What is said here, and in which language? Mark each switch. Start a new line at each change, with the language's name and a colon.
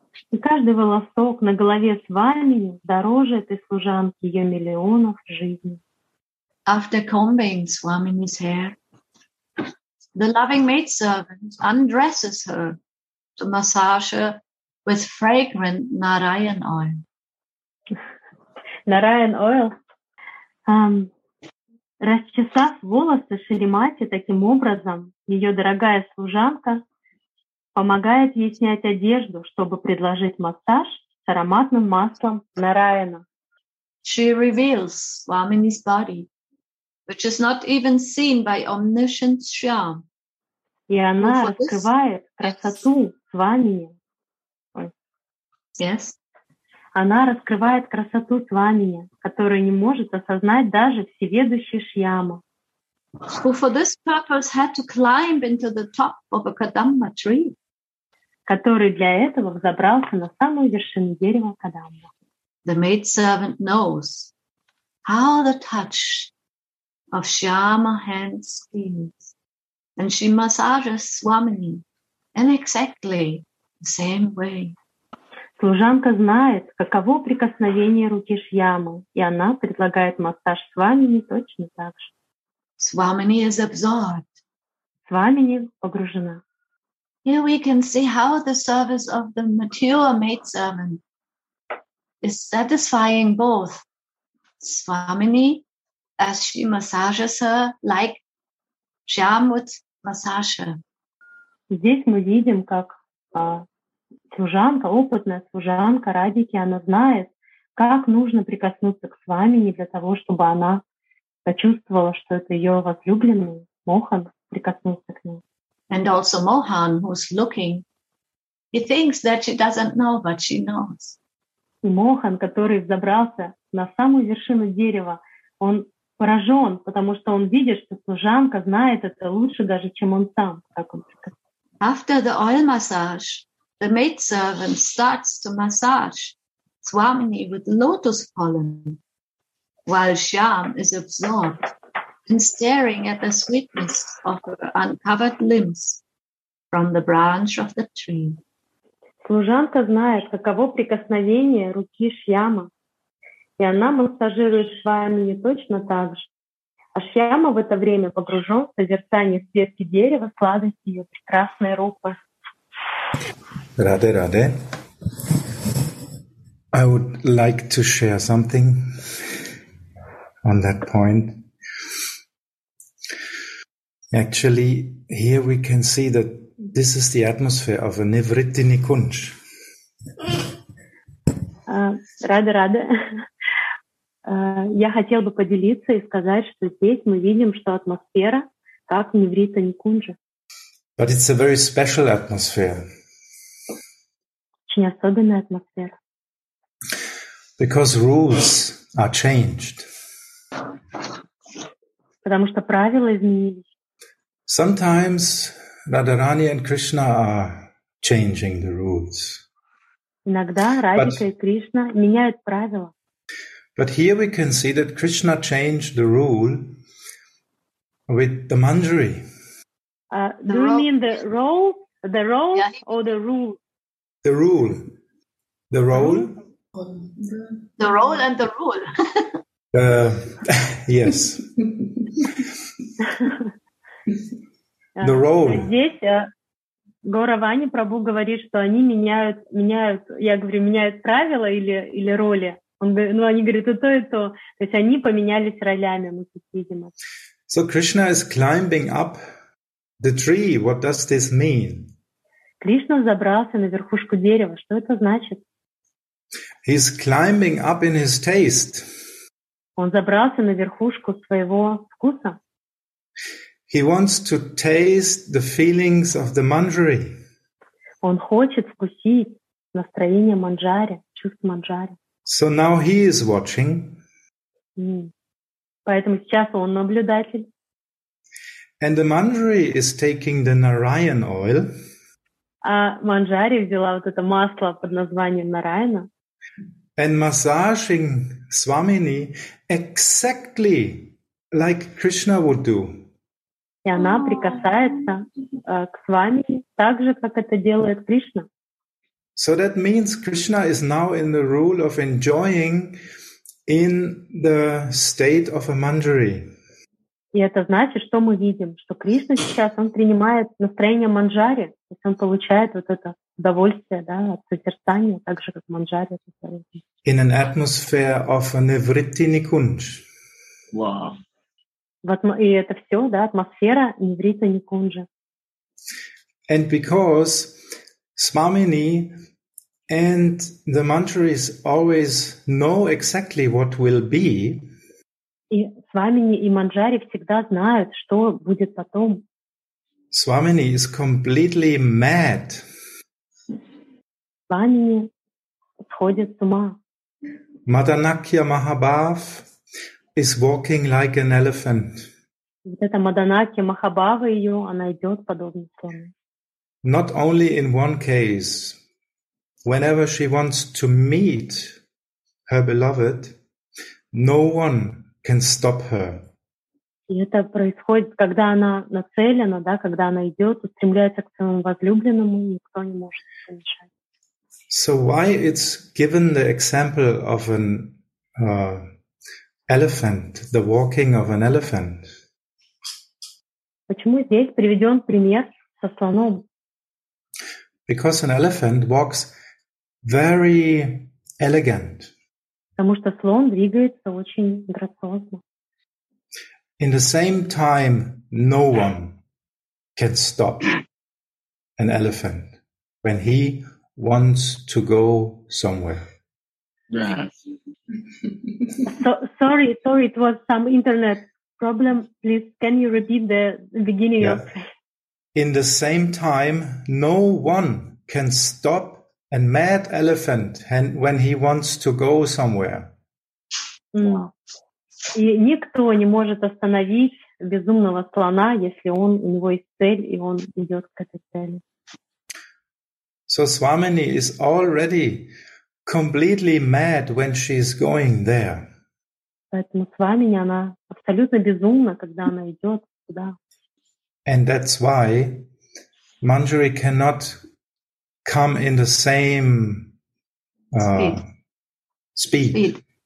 Russian: И каждый волосок на голове Свамини дороже этой служанки ее миллионов жизней.
English: After combing Swamini's hair, the loving maidservant undresses her to massage her with fragrant Narayan oil. Narayan oil.
Russian: Расчесав волосы Шримати таким образом, ее дорогая служанка помогает ей снять одежду, чтобы предложить массаж с ароматным маслом Нараяна.
English: She reveals Swamini's body, which is not even seen by omniscient Shyam.
Russian: И она раскрывает красоту Свамини.
English: Yes.
Russian: Она раскрывает красоту Свамини, которую не может осознать даже всеведущий Шьяма.
English: Who for this purpose had to climb into the top of a Kadamba tree.
Russian: Который для этого взобрался на самую вершину дерева Кадамба.
English: The maidservant knows how the touch of Shyama hands feels. And she massages Swamini in exactly the same way.
Russian: Служанка знает, каково прикосновение руки Шьямы, и она предлагает массаж Свамини точно так же.
English: Swamini is absorbed.
Russian: Свамини погружена.
English: Here we can see how the service of the mature maidservant is satisfying both Swamini as she massages her, like Shyama would massage her.
Russian: Здесь мы видим, как служанка, опытная служанка Радики, она знает, как нужно прикоснуться к Свамини для того, чтобы она почувствовала, что это ее возлюбленный Мохан прикоснулся к ней.
English: And also Mohan, who's looking, he thinks that she doesn't know, but she knows.
Russian: И Мохан, который взобрался на самую вершину дерева, он поражен, потому что он видит, что служанка знает это лучше даже, чем он сам, как он прикоснулся.
English: After the oil massage, the maidservant starts to massage Swamini with lotus pollen, while Shyam is absorbed and staring at the sweetness of her uncovered limbs from the branch of the tree.
Russian: Служанка знает, каково прикосновение руки Шьяма, и она массажирует Свамини точно так же. А Шьяма в это время погружен в созерцание ветки дерева, сладость ее прекрасной рупы.
English: Radhe, Radhe, I would like to share something on that point. Actually, here we can see that this is the atmosphere of a Nivritti Nikunj.
Russian: Radhe, Radhe, я хотел бы поделиться и сказать, что здесь мы видим, что атмосфера как Nivritti Nikunj.
English: But it's a very special atmosphere.
Russian: Особенная атмосфера.
English: Because rules are changed.
Russian: Потому что правила изменились.
English: Sometimes Radharani and Krishna are changing the rules.
Russian: Иногда Радика и Кришна меняют правила.
English: But here we can see that Krishna changed the rule with the Manjari. Do you mean the rules The role or the rule? The rule. The role? The role and the rule. yes. The role.
Russian: Здесь Гораване Прабу говорит, что они меняют, я говорю, меняют правила или роли. Он, ну, они говорят, и то. То есть они поменялись ролями, мы тут видим.
English: So Krishna is climbing up the tree. What does this mean?
Russian: Кришна забрался на верхушку дерева. Что это значит?
English: He's climbing up in his taste.
Russian: Он забрался на верхушку своего вкуса.
English: He wants to taste the feelings of the Manjari.
Russian: Он хочет вкусить настроение Манджари, чувств Манджари.
English: So now he is watching.
Russian: Поэтому сейчас он наблюдатель.
English: And the Manjari is taking the Narayan oil.
Russian: А Манджари взяла вот это масло под названием Нараяна.
English: And massaging Swamini exactly like Krishna would do.
Russian: И она прикасается к Свамини так же, как это делает Кришна.
English: So that means Krishna is now in the rule of enjoying in the state of a Manjari.
Russian: И это значит, что мы видим, что Кришна сейчас, он принимает настроение Манджари, то есть он получает вот это удовольствие, да, от созерцания, так же, как Манджари.
English: In an atmosphere of a Nivritti Nikunj. Wow.
Russian: И это все, да, атмосфера Nivritti Nikunja.
English: And because Swamini and the Manjaris always know exactly what will be,
Russian: и Свамини и Манджари всегда знают, что будет потом.
English: Свамини is completely mad.
Russian: Свамини сходит с ума.
English: Madanakya Mahabhav is walking like an elephant.
Russian: Вот это Madanakya Mahabhav, ее, она идет подобно слону.
English: Not only in one case. Whenever she wants to meet her beloved, no one can stop her.
Russian: И это происходит, когда она нацелена, да, когда она идет, устремляется к своему возлюбленному, никто не может это мешать.
English: So why it's given the example of an elephant, the walking of an elephant?
Russian: Почему здесь приведен пример со слоном?
English: Because an elephant walks very elegant.
Russian: Потому что слон двигается очень грациозно.
English: In the same time, no one can stop an elephant when he wants to go somewhere. Yes. Sorry, it was some internet problem. Please, can you repeat the beginning of? In the same time, no one can stop a mad elephant when he wants to go somewhere. Wow.
Russian: И никто не может остановить безумного слона, если он, у него есть цель, и он идет к этой цели.
English: So Swamini is already completely mad when she is going there.
Russian: Поэтому Свамини, она абсолютно безумна, когда она идет туда.
English: And that's why Manjari cannot come in the same speed.